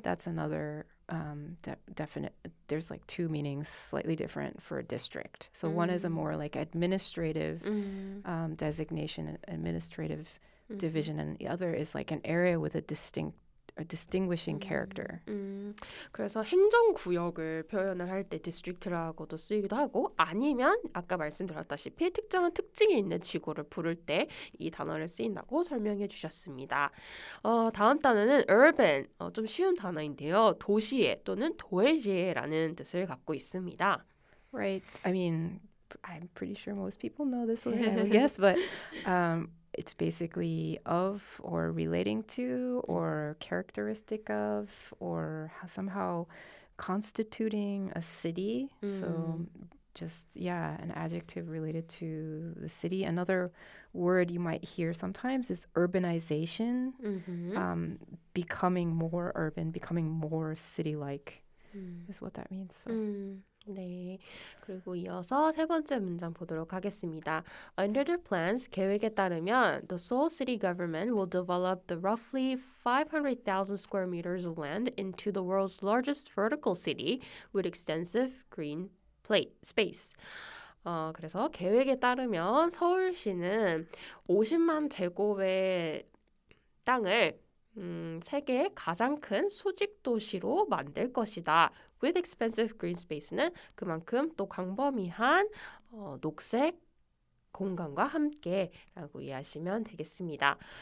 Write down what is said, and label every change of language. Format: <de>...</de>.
<en>That's another definite. There's like two meanings slightly different for a district. So one is a more like administrative designation, administrative division, and the other is like an area with a distinct a distinguishing character.</en> <ko>그래서 행정 구역을 표현을 할 때 district라고도 쓰이기도 하고 아니면 아까 말씀드렸다시피 특정한 특징이 있는 지구를 부를 때 이 단어를 쓰인다고 설명해 주셨습니다. 다음 단어는 urban, 좀 쉬운 단어인데요. 도시에 또는 도에지에라는 뜻을 갖고 있습니다.</ko> <en>Right. I mean, I'm pretty sure most people know this one, I guess, but it's basically of or relating to or characteristic of or somehow constituting a city. So just, yeah, an adjective related to the city. Another word you might hear sometimes is urbanization, becoming more urban, becoming more city-like is what that means. So.</en> <ko>네. 그리고 이어서 세 번째 문장 보도록 하겠습니다.</ko> <en>Under their plans,</en> <ko>계획에 따르면</ko> <en>the Seoul City government will develop the roughly 500,000 square meters of land into the world's largest vertical city with extensive green plate space.</en> <ko>그래서 계획에 따르면 서울시는 50만 제곱의 땅을 세계 가장 큰 수직 도시로 만들 것이다.</ko> <en>With expensive green space</en> <ko>는 그만큼 또 광범위한 녹색 공간과 함께 라고 이해하시면 되겠습니다.</ko>